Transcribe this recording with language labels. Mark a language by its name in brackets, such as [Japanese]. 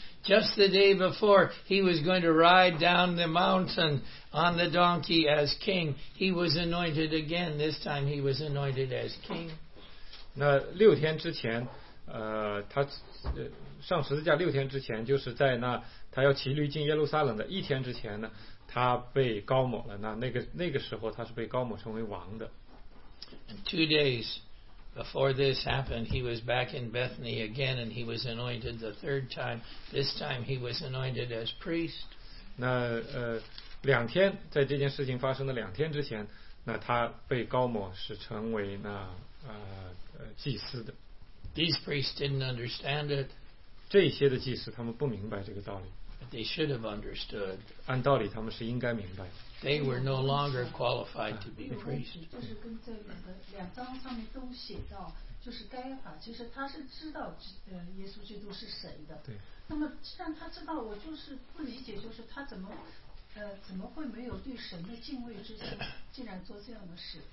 [English] Just the day before he was going to ride down the mountain on the donkey as king, he was anointed again. This time he was anointed as king. [Chinese] 那六天之前，他上十字架六天之前，就是在那他要骑驴进耶路撒冷的一天之前呢，他被膏抹了。那个时候他是被膏抹成为王的。 [English] And 2 days before this happened, he was back in Bethany again, and he was anointed the 3rd time. This time, he was anointed as priest. [Chinese] 那两天，在这件事情发生的两天之前，那他被膏抹是成为那祭司的。 [English] These priests didn't understand it. [Chinese] 这些的祭司他们不明白这个道理。 [English] But they should have understood. [Chinese] 按道理他们是应该明白的。 [English] They were no longer qualified to be priests. [Chinese] 就是跟这两章上面都写到，就是该法，其实他是知道耶稣基督是谁的。对。那么既然他知道，我就是不理解，就是他怎么会没有对神的敬畏之心，竟然做这样的事？